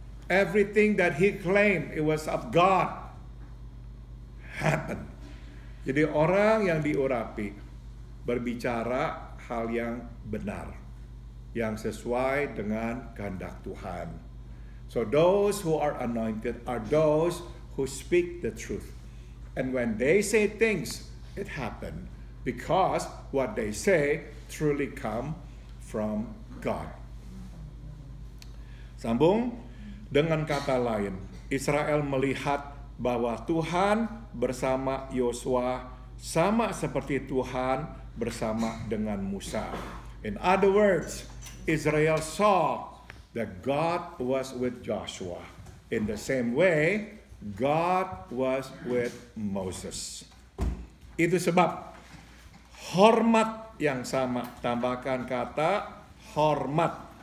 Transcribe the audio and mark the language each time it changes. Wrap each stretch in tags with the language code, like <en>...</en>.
<en>Everything that he claimed it was of God, happened.</en> <id>Jadi orang yang diurapi berbicara hal yang benar, yang sesuai dengan kehendak Tuhan.</id> <en>So those who are anointed are those who speak the truth. And when they say things, it happen because what they say truly come from God.</en> <id>Sambung, dengan kata lain, Israel melihat bahwa Tuhan bersama Yosua sama seperti Tuhan bersama dengan Musa.</id> <en>In other words, Israel saw that God was with Joshua. In the same way, God was with Moses.</en> <id>Itu sebab hormat yang sama. Tambahkan kata hormat.</id>